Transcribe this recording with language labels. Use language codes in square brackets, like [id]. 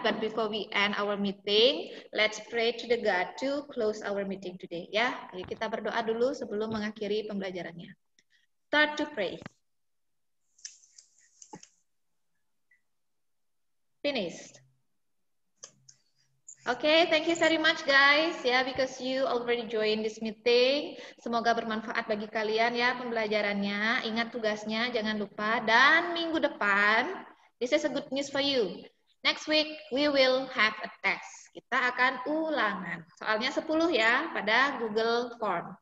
[en] But before we end our meeting, let's pray to the God to close our meeting today ya. [id] Ayo kita berdoa dulu sebelum mengakhiri pembelajarannya. [en] Start to pray. Finished. Okay, thank you very much guys. Yeah, because you already join this meeting. [id] Semoga bermanfaat bagi kalian ya pembelajarannya. Ingat tugasnya, jangan lupa. Dan minggu depan, [en] this is a good news for you. Next week, we will have a test. [id] Kita akan ulangan. Soalnya 10 ya, pada Google Form.